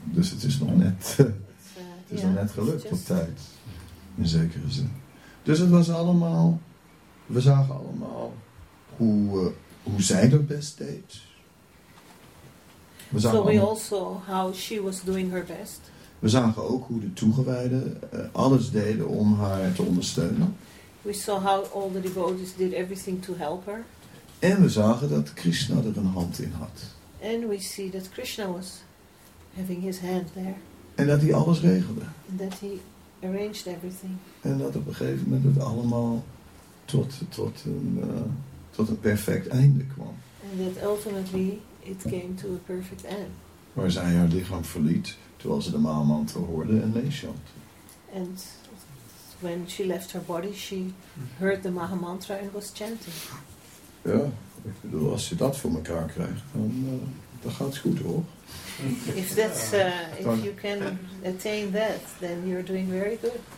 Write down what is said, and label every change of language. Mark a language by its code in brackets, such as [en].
[nl] Dus het is nog net, het is nog net gelukt op tijd. In zekere zin. Dus het was allemaal, we zagen allemaal hoe zij haar best deed. We zagen [en] how she was doing her best. [nl] We zagen ook hoe de toegewijden alles deden om haar te ondersteunen. [en] We saw how all the devotees did everything to help her. [nl] En we zagen dat Krishna er een hand in had. [en] And we see that Krishna was having his hand there. [nl] En dat hij alles regelde. [en] And that he arranged everything. [nl] En dat op een gegeven moment het allemaal tot een perfect einde kwam. [en] And that ultimately it came to a perfect end. [nl] Waar zij haar lichaam verliet, terwijl ze de maalmantra hoorde en meeshant. [en] And when she left her body, she heard the Mahamantra and was chanting. [nl] Ja, ik bedoel, als je dat voor elkaar krijgt, dan gaat het goed hoor. [en] If you can attain that, then you're doing very good.